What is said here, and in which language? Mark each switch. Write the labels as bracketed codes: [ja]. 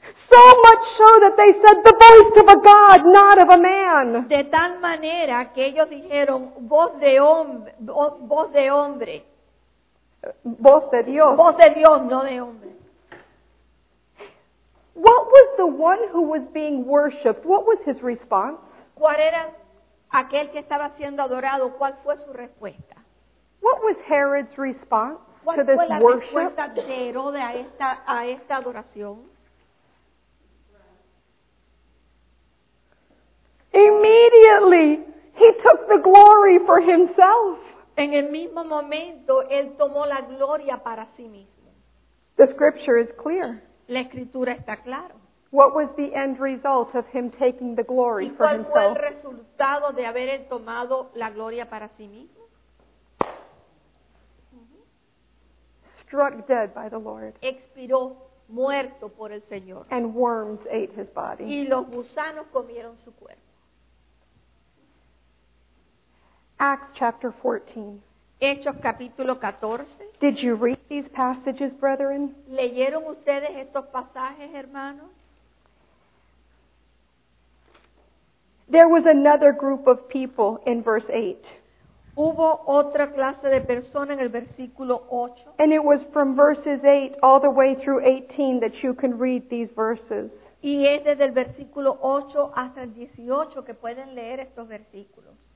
[en] So much so that they said, the voice of a God, not of a man. [es] De tal manera que ellos dijeron, voz de hombre. Voz de Dios. Voz de Dios, no de hombre. [en] What was the one who was being worshipped? What was his response? [es] ¿Cuál era aquel que estaba siendo adorado? ¿Cuál fue su respuesta? [en] What was Herod's response to this worship? [es] ¿Cuál fue la respuesta de Herodes a esta adoración? [en] Immediately, he took the glory for himself. [es] En el mismo momento, él tomó la gloria para sí mismo. [en] The scripture is clear. [es] La escritura está claro. [en] What was the end result of him taking the glory for himself? [es] ¿Y cuál fue el resultado de haber él tomado la gloria para sí mismo? [en] Struck dead by the Lord. [es] Expiró muerto por el Señor. [en] And worms ate his body. [es] Y los gusanos comieron su cuerpo. [en] Acts chapter 14. [es] Hechos capítulo 14. [en] Did you read these passages, brethren? [es] ¿Leyeron ustedes estos pasajes, hermanos? [en] There was another group of people in verse 8. [es] Hubo otra clase de persona en el versículo 8. [en] And it was from verses 8 all the way through 18 that you can read these verses. [es] Y es desde el versículo 8 hasta el 18 que pueden leer estos versículos.